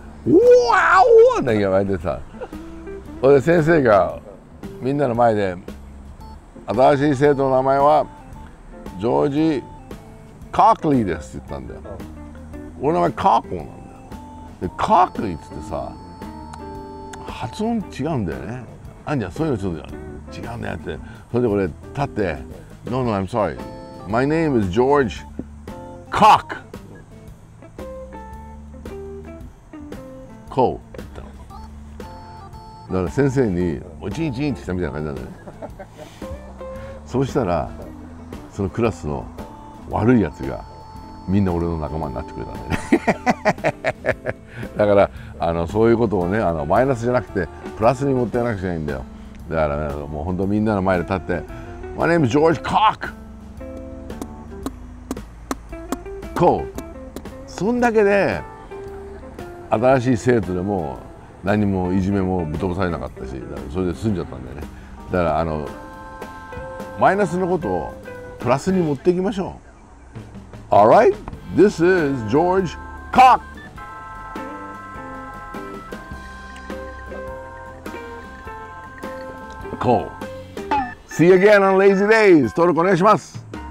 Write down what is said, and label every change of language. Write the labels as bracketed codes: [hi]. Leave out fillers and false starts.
[ja] うわーうわーって言われてさ、それで先生がみんなの前で新しい生徒の名前はジョージ・カークリーですって言ったんだよ。俺の名前カーコーなんだよ。でカークリーって言ってさ、発音違うんだよね。あんじゃん、そういうのちょっと違うんだよって。それで俺立って [en] No, no, I'm sorryMy name is George Cock. [ja] こう言ったの。だから先生におちんちんって来たみたいな感じなんだね。そうしたらそのクラスの悪いやつがみんな俺の仲間になってくれたんだね。だからそういうことをね、マイナスじゃなくてプラスに持っていかなくちゃいいんだよ。だから、ね、もう本当みんなの前で立って [en] My name is George Cock. [ja] こう、そんだけで新しい生徒でも何もいじめもぶっ飛ばされなかったし、それで済んじゃったんだよね。だからマイナスのことをプラスに持っていきましょう。 [en] All right, this is George Cock. こう、 See you again on Lazy Days. [ja] 登録お願いします。